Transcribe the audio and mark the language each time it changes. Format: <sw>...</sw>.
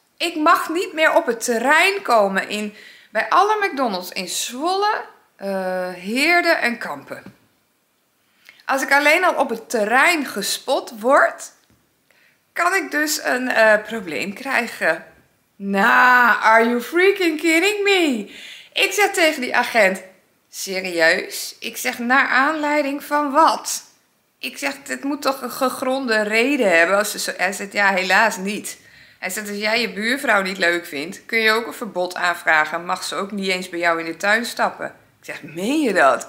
<nl>Ik mag niet meer op het terrein komen in, bij alle McDonald's in Zwolle, Heerden en Kampen. Als ik alleen al op het terrein gespot word, kan ik dus een probleem krijgen.</nl> <en>Nah, are you freaking kidding me?</en> <nl>Ik zeg tegen die agent, serieus? Ik zeg, naar aanleiding van wat? Ik zeg, dit moet toch een gegronde reden hebben? Als ze zo, hij zegt, ja, helaas niet. Hij zegt, als jij je buurvrouw niet leuk vindt, kun je ook een verbod aanvragen. Mag ze ook niet eens bij jou in de tuin stappen? Ik zeg, meen je dat?</nl>